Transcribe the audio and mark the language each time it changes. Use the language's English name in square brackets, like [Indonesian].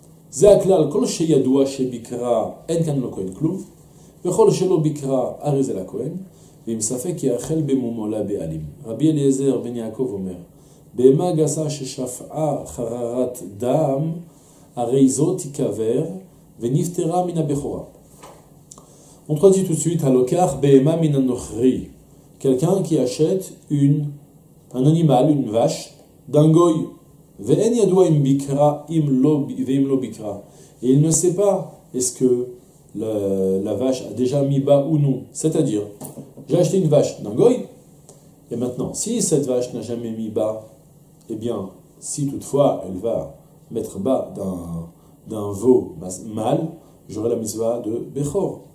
[Hebrew] זה הכלל, כל שידוע שביקרה, אין כאן לכהן כלום, וכל שלא ביקרה, הרי זה לכהן, ועם ספק יאכל במומו לבעלים. רבי אליעזר בן יעקב אומר, בהמה גסה ששפעה חררת דם, הרי זאת תיקבר ונפטרה מן הבכורה. [French] On traduit tout de suite, [Hebrew] הלוקח בהמה מן הנוכרי. [French] Quelqu'un qui achète un animal, une vache, d'un goy. [Hebrew] ואין ידוע אם ביקרה, ואם לא ביקרה. [French] Et il ne sait pas, est-ce que la vache a déjà mis bas ou non. C'est-à-dire, j'ai acheté une vache d'un goy, et maintenant, si cette vache n'a jamais mis bas, eh bien, si toutefois elle va mettre bas d'un veau mâle, j'aurai la mitzvah de Bechor.